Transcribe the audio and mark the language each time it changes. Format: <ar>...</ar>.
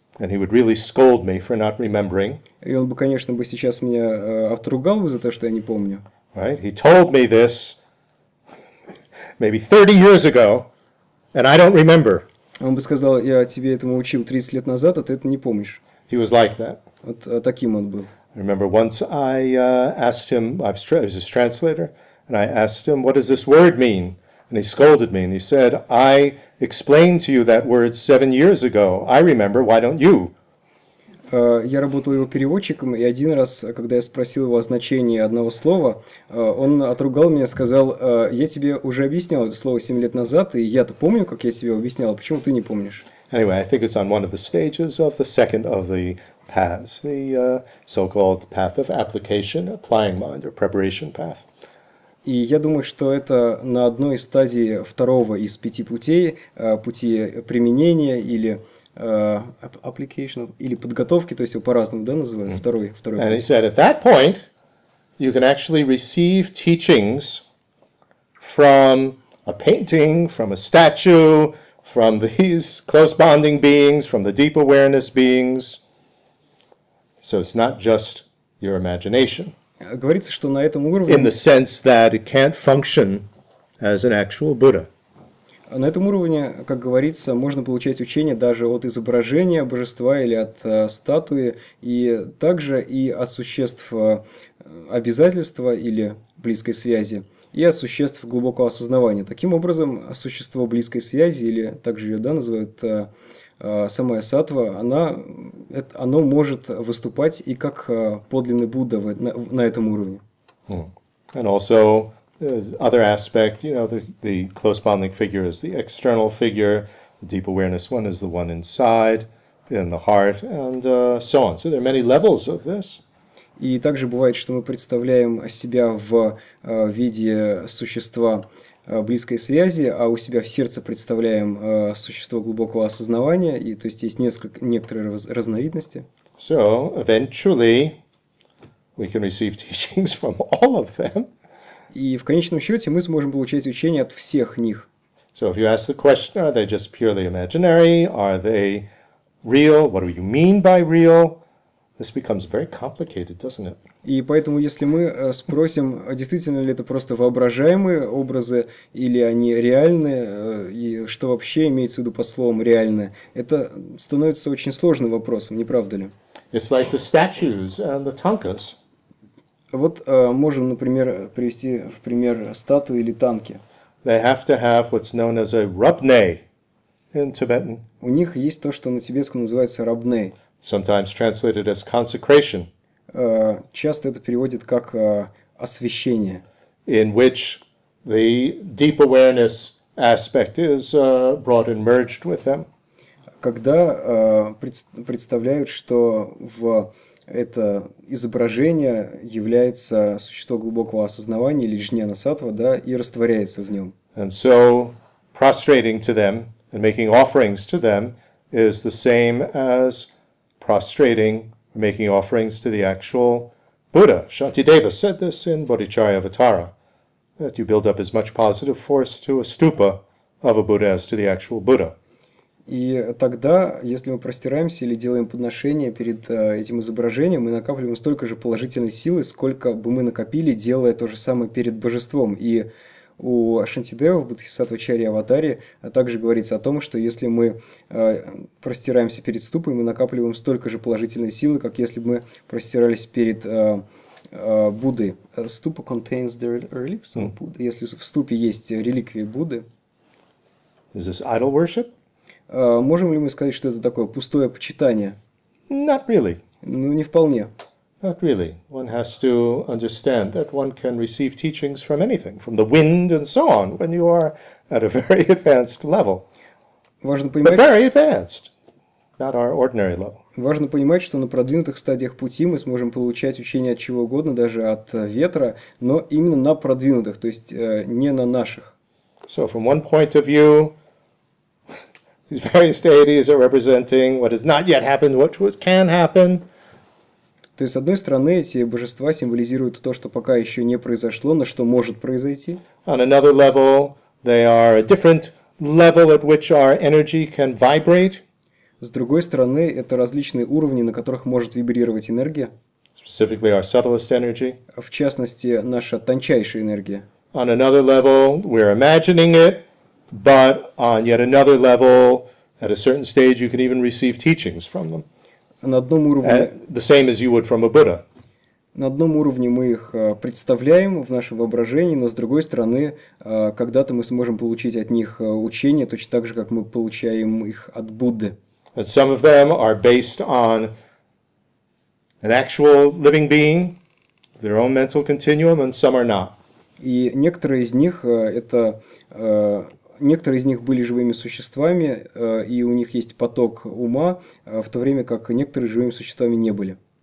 <en>And he would really scold me for not remembering.</en> <ru>И он бы, конечно, бы сейчас меня отругал бы за то, что я не помню.</ru> <en>Right? He told me this maybe 30 years ago, and I don't remember. Он бы сказал, я тебе этому учил 30 лет назад, а ты это не помнишь. He was like that. Вот таким он был. I remember once I asked him, I was his translator, and I asked him, what does this word mean? And he scolded me, and he said, I explained to you that word 7 years ago. I remember, why don't you?</en> <ru>Я работал его переводчиком, и один раз, когда я спросил его о значении одного слова, он отругал меня, сказал, я тебе уже объяснял это слово 7 лет назад, и я-то помню, как я тебе объяснял, почему ты не помнишь?</ru> <en>Anyway, I think it's on one of the stages of the second of the paths, the so-called path of application, applying mind, or preparation path.</en> <ru>И я думаю, что это на одной из стадий второго из пяти путей, пути применения или application, или подготовки, то есть его по-разному, да, называют, второй And путь.</ru> <en>He said, at that point, you can actually receive teachings from a painting, from a statue, from these close bonding beings, from the deep awareness beings. So it's not just your imagination.</en> <ru>Говорится, что на этом уровне...</ru> <en>In the sense that it can't function as an actual Buddha.</en> <ru>На этом уровне, как говорится, можно получать учение даже от изображения божества или от статуи, и также и от существ обязательства или близкой связи, и от существ глубокого осознавания. Таким образом, существо близкой связи, или также ее, да, называют самая сатва, оно может выступать и как подлинный Будда на этом уровне.</ru> <en>And also... Other aspect, you know, the close bonding figure is the external figure, the deep awareness one is the one inside, in the heart, and so on. So there are many levels of this.</en> <ru>И также бывает, что мы представляем себя в виде существа близкой связи, а у себя в сердце представляем существо глубокого осознавания, и то есть есть некоторые разновидности.</ru> <en>So eventually we can receive teachings from all of them.</en> <ru>И в конечном счете мы сможем получать учение от всех них.</ru> <en>So if you ask the question, are they just purely imaginary? Are they real? What do you mean by real? This becomes very complicated, doesn't it?</en> <ru>И поэтому, если мы спросим, действительно ли это просто воображаемые образы, или они реальные, и что вообще имеется в виду под словом «реальное», это становится очень сложным вопросом, не правда ли?</ru> <en>It's like the statues and the tankas.</en> <ru>Вот можем, например, привести в пример статуи или танки.</ru> <en>They have to have what's known as a rabne in Tibetan.</en> <ru>У них есть то, что на тибетском называется рабне.</ru> <en>Sometimes translated as consecration.</en> <ru>Часто это переводит как освящение.</ru> <en>In which the deep awareness aspect is brought and merged with them.</en> <ru>Когда представляют, что в... Это изображение является существо глубокого осознавания или джняна-сатва, да, и растворяется в нем.</ru> <en>And so, prostrating to them and making offerings to them is the same as prostrating, making offerings to the actual Buddha. Shantideva said this in Bodhicharyavatara, that you build up as much positive force to a stupa of a Buddha as to the actual Buddha.</en> <ru>И тогда, если мы простираемся или делаем подношение перед этим изображением, мы накапливаем столько же положительной силы, сколько бы мы накопили, делая то же самое перед божеством. И у Шантидева, Бодхисаттва Чари Аватари, также говорится о том, что если мы простираемся перед ступой, мы накапливаем столько же положительной силы, как если бы мы простирались перед Буддой.</ru> <en>Ступа contains the relics of Buddha.</en> <ru>Если в ступе есть реликвии Будды.</ru> <en>Is this idol worship?</en> <ru>Можем ли мы сказать, что это такое пустое почитание?</ru> <en>Not really.</en> <ru>Ну, не вполне.</ru> <en>Not really. One has to understand that one can receive teachings from anything, from the wind and so on, when you are at a very advanced level.</en> <ru>Важно понимать,</ru> <en>but very advanced, not our ordinary level.</en> <ru>Важно понимать, что на продвинутых стадиях пути мы сможем получать учение от чего угодно, даже от ветра, но именно на продвинутых, то есть не на наших.</ru> <en>So, from one point of view, these various deities are representing what has not yet happened, what can happen.</en> <ru>То есть, с одной стороны, эти божества символизируют то, что пока еще не произошло, но что может произойти.</ru> <en>On another level, they are a different level at which our energy can vibrate.</en> <ru>С другой стороны, это различные уровни, на которых может вибрировать энергия.</ru> <en>Specifically, our subtlest energy.</en> <ru>В частности, наша тончайшая энергия.</ru> <en>On another level, we're imagining it. But on yet another level, at a certain stage, you can even receive teachings from them.</en> <ru>На одном уровне,</ru> <en>the same as you would from a Buddha.</en> <ru>На одном уровне мы их представляем в нашем воображении, но с другой стороны, когда-то мы сможем получить от них учение, точно так же, как мы получаем их от Будды.</ru> <en>And some of them are based on an actual living being, their own mental continuum, and some are not.</en> <ru>И некоторые из них это... Некоторые из них были живыми существами, и у них есть поток ума, в то время как некоторые живыми существами не были.</ru>